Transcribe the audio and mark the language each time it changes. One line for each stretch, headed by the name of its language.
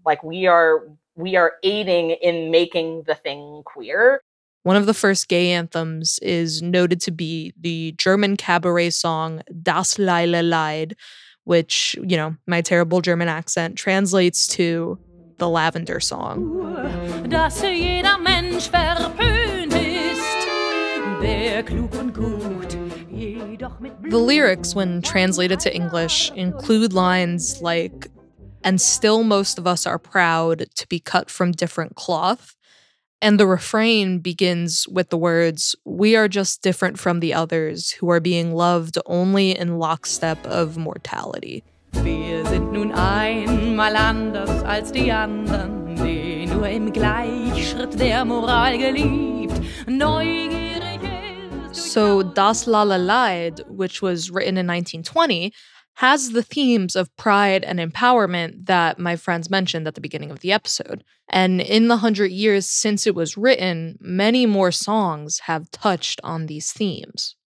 English: Like we are aiding in making the thing queer. One of the first gay anthems is noted to be the German cabaret song Das Leile Lied, which, you know, my terrible German accent translates to the Lavender Song.
German: Dass jeder Mensch verpönt ist, der klug und gut.
English: The lyrics, when translated to English, include lines like, "And still most of us are proud to be cut from different cloth." And the refrain begins with the words, "We are just different from the others who are being loved only in lockstep of mortality."
German: Wir sind nun einmal anders als die anderen, die nur im Gleichschritt der Moral geliebt. Neugierig ist.
English: So Das Lala Leid, which was written in 1920, has the themes of pride and empowerment that my friends mentioned at the beginning of the episode. And in the 100 years since it was written, many more songs have touched on these themes.